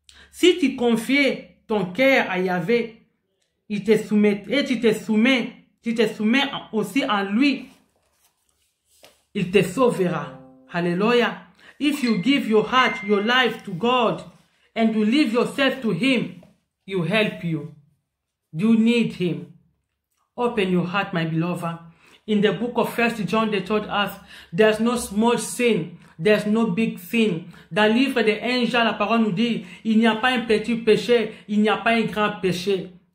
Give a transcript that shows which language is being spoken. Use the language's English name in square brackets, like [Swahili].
[French] Si tu confies ton cœur à Yahvé, il te soumet et tu te soumets aussi en lui. Il te sauvera. Alléluia. [English] If you give your heart, your life to God and you leave yourself to him, he will help you. You need him. Open your heart, my beloved. in the book of 1 John, they told us, there's no small sin, there's no big sin. [French] Dans le livre des anges, la parole nous dit, il n'y a pas un petit péché, il n'y a pas un grand péché.